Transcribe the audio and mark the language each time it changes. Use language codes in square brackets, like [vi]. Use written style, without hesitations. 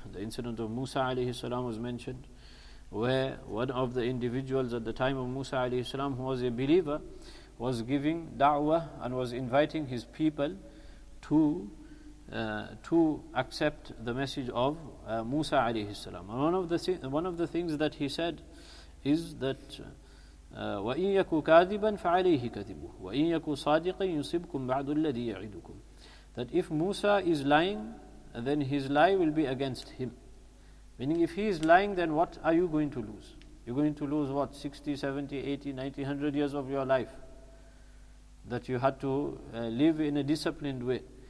[en] The incident of Musa alayhi salam was mentioned, where one of the individuals at the time of Musa alayhi salam, who was a believer, was giving da'wah and was inviting his people to accept the message of Musa alayhi salam. And one of the things that he said is that [ar] وَإِن يَكُوا كَاذِبًا فَعَلَيْهِ كَذِبُهُ وَإِن يَكُوا صَادِقًا يُصِبْكُمْ بَعْضُ الَّذِي يَعِدُكُمْ. [en] That if Musa is lying, then his lie will be against him. Meaning if he is lying, then what are you going to lose? You're going to lose what? 60, 70, 80, 90, 100 years of your life that you had to live in a disciplined way.